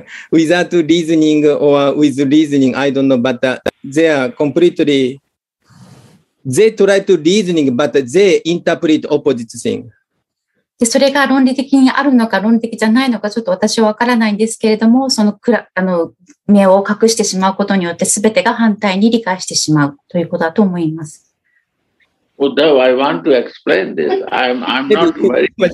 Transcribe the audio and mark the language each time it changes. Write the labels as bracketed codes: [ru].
[en] without reasoning or with reasoning, I don't know, but they are completely, they try to reasoning, but they interpret opposite thing. [ja] で、それが論理的にあるのか論理的じゃないのか、ちょっと私はわからないんですけれども、その目を隠してしまうことによって、すべてが反対に理解してしまうということだと思います。 [en] Although I want to explain this, I'm not very...